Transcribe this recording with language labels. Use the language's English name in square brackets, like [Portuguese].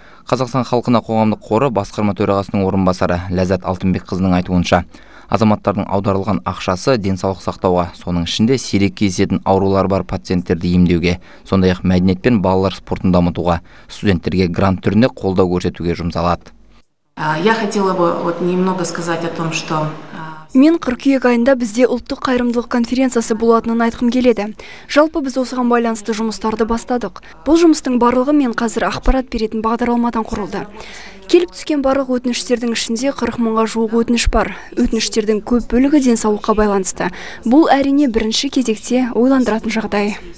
[Kazakh] Қазақстан халқына қоғамдық қоры басқарма төрағасының орынбасары Ләззат Алтынбекқызының айтуынша, азаматтардың аударылған ақшасы денсаулық сақтауға, соның ішінде сирек кездесетін аурулар бар пациенттерді емдеуге, сондай-ақ мәдениет пен балалар спортын дамытуға, студенттерге грант түрінде қолдау көрсетуге жұмсалады. [Russian] Я хотела бы вот немного сказать о том, что [Kazakh] мен 42 айында бізде ұлттық қайырымдылық конференциясы болатынын айтқым келеді. Жалпы біз осыған байланысты жұмыстарды бастадық. Бұл жұмыстың барлығы мен қазір ақпарат беретін бағдарламадан құрылды. Келіп түскен барлық өтініштердің ішінде 40 мыңға жуық өтініш бар. Өтініштердің көп бөлігі денсаулыққа байланысты. Бұл әрине бірінші кезекте ойландыратын жағдай.